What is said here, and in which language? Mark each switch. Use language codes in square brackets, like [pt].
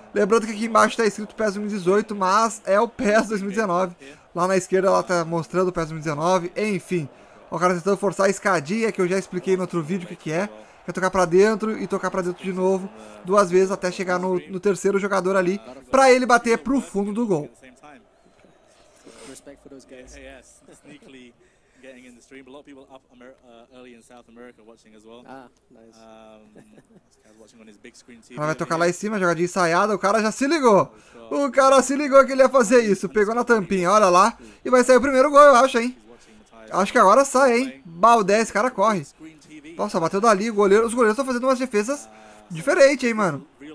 [pt] Lembrando que aqui embaixo tá escrito PES 2018, mas é o PES 2019. Lá na esquerda ela tá mostrando o PES 2019, enfim. O cara tentando forçar a escadinha, que eu já expliquei no outro vídeo o que é. Quer tocar pra dentro e tocar pra dentro de novo, duas vezes, até chegar no terceiro jogador ali, pra ele bater pro fundo do gol. [en] Respect for those guys. Yeah, yes, sneakily getting in the stream. A lot of people up early in South America watching as well. Ah, nice. This guy's watching on his big screen TV. [pt] Ela vai tocar lá em cima, jogadinha ensaiada. O cara já se ligou. O cara se ligou que ele ia fazer isso. Pegou na tampinha, olha lá. E vai sair o primeiro gol, eu acho, hein. Acho que agora sai, hein. Balde, esse cara corre. Nossa, bateu dali. Os goleiros estão fazendo umas defesas diferentes, hein, mano.